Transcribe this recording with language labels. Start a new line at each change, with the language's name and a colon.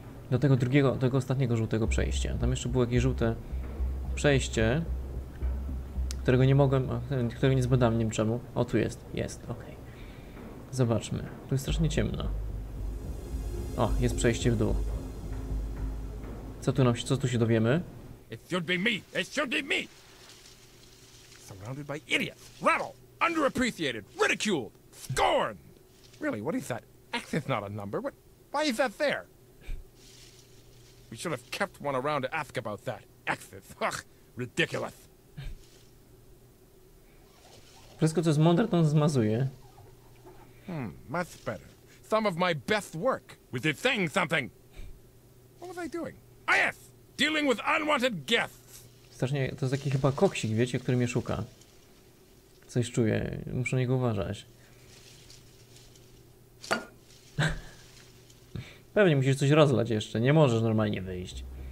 Polish: Do tego drugiego, tego ostatniego żółtego przejścia. Tam jeszcze było jakieś żółte przejście, którego nie mogłem, którego nie zbadałem, nie wiem czemu. O, tu jest, jest, okej. Zobaczmy, tu jest strasznie ciemno. O, jest przejście w dół. Co tu nam się, co tu się dowiemy?
English: It should be me, it should be me! Surrounded by idiots, rabble, underappreciated, ridiculed, scorned! Really, what is that? X is not a number, what, why is that there? We should have kept one around to ask about that. X's. Ugh, ridiculous.
Polish: Wszystko, co jest mądre, to on zmazuje.
English: Much better. Some of my best work. Was it saying something? What was I doing? Ah, yes! Dealing with unwanted guests!
Polish: Strasznie, to jest taki chyba koksik, wiecie, który mnie szuka. Coś czuję, muszę na niego uważać. Pewnie musisz coś rozlać jeszcze, nie możesz normalnie wyjść.